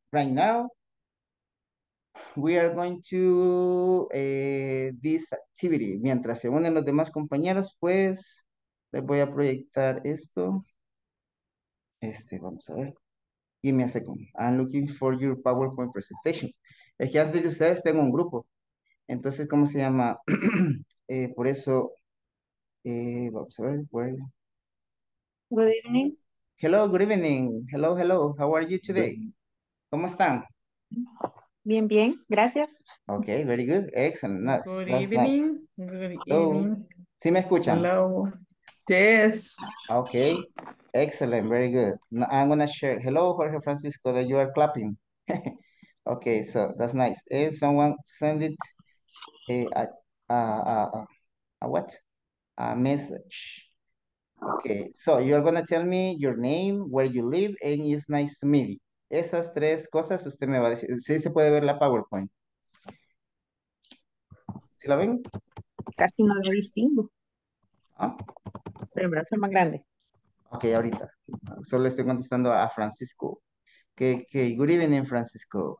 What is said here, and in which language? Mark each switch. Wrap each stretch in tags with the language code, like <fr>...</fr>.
<en>Right now, we are going to this activity.</en> <es>Mientras se unen los demás compañeros, pues les voy a proyectar esto. Vamos a ver.</es> <en>Give me a second. I'm looking for your PowerPoint presentation.</en> <es>Es que antes de ustedes tengo un grupo. Entonces, ¿cómo se llama? por eso, vamos a ver.</es> <en>Where... Good evening. Hello, good evening. Hello, hello. How are you today?</en> <es>¿Cómo están? Bien, bien, gracias.</es> <en>Ok, very good. Excellent. Nice. Good That's nice. evening. Good Hello. evening.</en> <es>¿Sí me escuchan?</es> <en>Hello. Yes. Ok. Excellent, very good. No, I'm gonna share. Hello, Jorge Francisco, that you are clapping. Okay, so that's nice. If someone send it a what? A message. Okay, so you're gonna tell me your name, where you live, and it's nice to meet you.</en> <es>Esas tres cosas usted me va a decir. Sí, se puede ver la PowerPoint. ¿Sí la ven? Casi no lo distingo, ¿Ah? pero me va a ser más grande. Ok, ahorita. Solo estoy contestando a Francisco.</es> <en>Okay, good evening,</en> <es>Francisco.</es>